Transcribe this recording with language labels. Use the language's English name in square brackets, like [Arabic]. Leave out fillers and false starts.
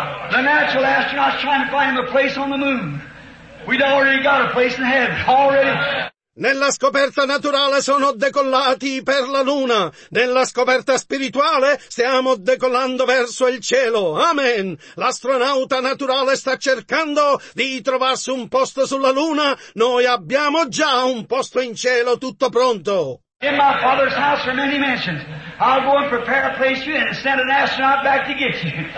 [English] The natural astronauts trying to find a place on the moon. We'd already got a place in heaven, already. [Italian] Nella scoperta naturale sono decollati per la luna. Nella scoperta spirituale stiamo decollando verso il cielo. Amen! L'astronauta naturale sta cercando di trovarsi un posto sulla luna. Noi abbiamo già un posto in cielo tutto pronto. [English] In my father's house for many mansions. I'll go and prepare a place for you and send an astronaut back to get you.